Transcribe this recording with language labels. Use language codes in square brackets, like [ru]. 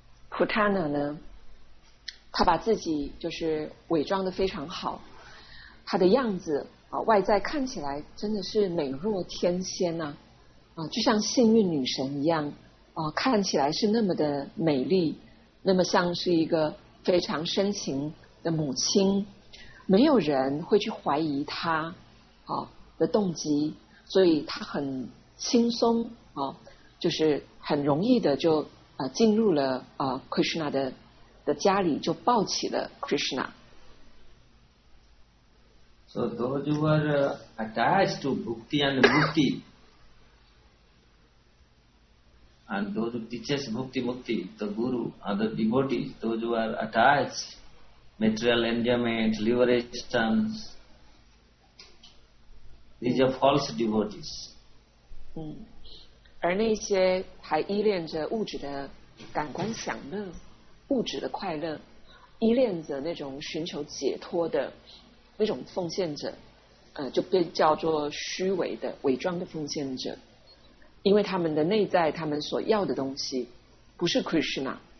[zh] Putana 呢，她把自己就是伪装得非常好，她的样子外在看起来真的是美若天仙呐，就像幸运女神一样，看起来是那么的美丽，那么像是一个非常深情 的母亲，没有人会去怀疑她的动机，所以她很轻松，就是很容易的就进入了Krishna的家里，就抱起了 Krishna. [en] So those who are attached to bhakti and mukti, and those who teaches bhakti mukti, the guru and the devotees, those who are attached, material enjoyment, liberation, these are false devotees. [zh] 而那些还依恋着物质的感官享乐，物质的快乐，依恋着那种寻求解脱的那种奉献者，就被叫做虚伪的伪装的奉献者，因为他们的内在，他们所要的东西不是 Krishna。